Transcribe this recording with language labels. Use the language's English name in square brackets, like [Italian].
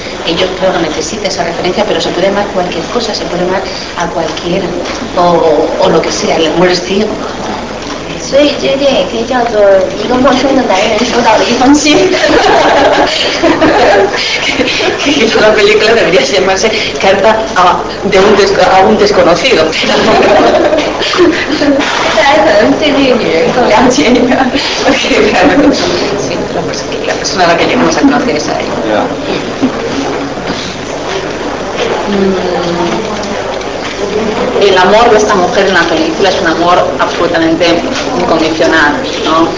[Spanish] Ellos, claro, necesitan esa referencia, pero se puede amar cualquier cosa, se puede amar a cualquiera, o lo que sea, el amor es ciego. [Chinese] 所以这个电影可以叫做一个陌生的男人收到了一封信。 [Spanish] Que esta película debería llamarse carta a de un desconocido. [Chinese] 大家可能对这个女人更了解一点。 [Spanish] La persona a la que llegamos a conocer es a ella. El amor de esta mujer en la película es un amor absolutamente incondicional, ¿no?